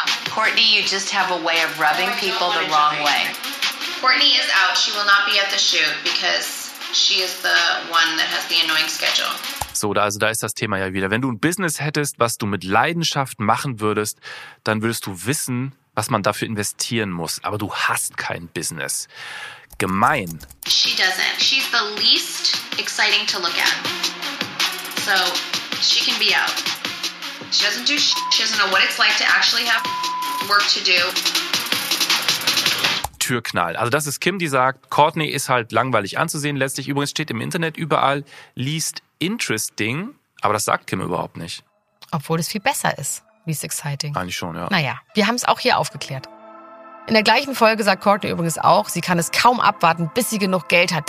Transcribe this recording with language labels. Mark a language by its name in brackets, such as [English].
[English] Kourtney, you just have a way of rubbing people the wrong way. Kourtney is out. She will not be at the shoot because she is the one that has the annoying schedule. [German] So, also da ist das Thema ja wieder. Wenn du ein Business hättest, was du mit Leidenschaft machen würdest, dann würdest du wissen, was man dafür investieren muss. Aber du hast kein Business. Gemein. [English] She doesn't. She's the least exciting to look at. So, she can be out. She doesn't do shit. She doesn't know what it's like to actually have work to do. [German] Türknall. Also das ist Kim, die sagt, Kourtney ist halt langweilig anzusehen. Letztlich übrigens steht im Internet überall, [English] least interesting, [German] aber das sagt Kim überhaupt nicht. Obwohl es viel besser ist, [English] least exciting. [German] Eigentlich schon, ja. Naja, wir haben es auch hier aufgeklärt. In der gleichen Folge sagt Kourtney übrigens auch, sie kann es kaum abwarten, bis sie genug Geld hat.